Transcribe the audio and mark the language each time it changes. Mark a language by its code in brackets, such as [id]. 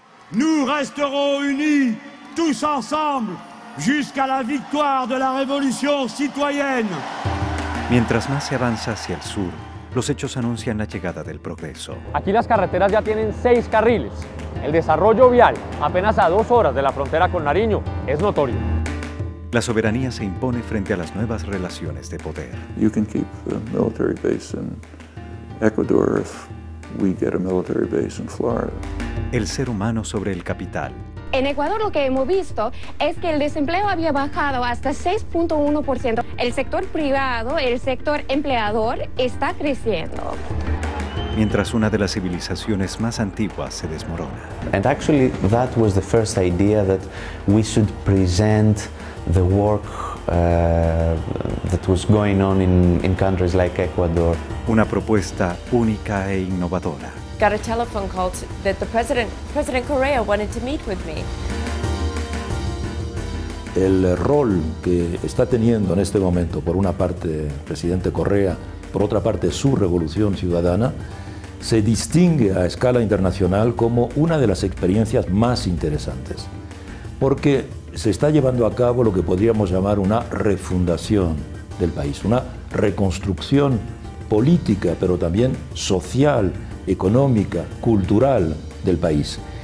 [fr] Nous resterons unis, tous ensemble, jusqu'à la victoire de la révolution citoyenne. [es] Mientras más se avanza hacia el sur, los hechos anuncian la llegada del progreso. Aquí las carreteras ya tienen 6 carriles. El desarrollo vial, apenas a 2 horas de la frontera con Nariño, es notorio. La soberanía se impone frente a las nuevas relaciones de poder. [en] You can keep a military base in Ecuador if we get a military base in Florida. [es] El ser humano sobre el capital. En Ecuador lo que hemos visto es que el desempleo había bajado hasta 6.1%. El sector privado, el sector empleador, está creciendo. Mientras una de las civilizaciones más antiguas se desmorona. [en] And actually, that was the first idea that we should present the work that was going on in countries like Ecuador. [es] Una propuesta única e innovadora. [en] Got a telephone call that the President Correa wanted to meet with me. [es] El rol que está teniendo en este momento, por una parte, Presidente Correa, por otra parte, su revolución ciudadana, se distingue a escala internacional como una de las experiencias más interesantes, porque se está llevando a cabo lo que podríamos llamar una refundación del país, una reconstrucción política, pero también social, económica, cultural del país.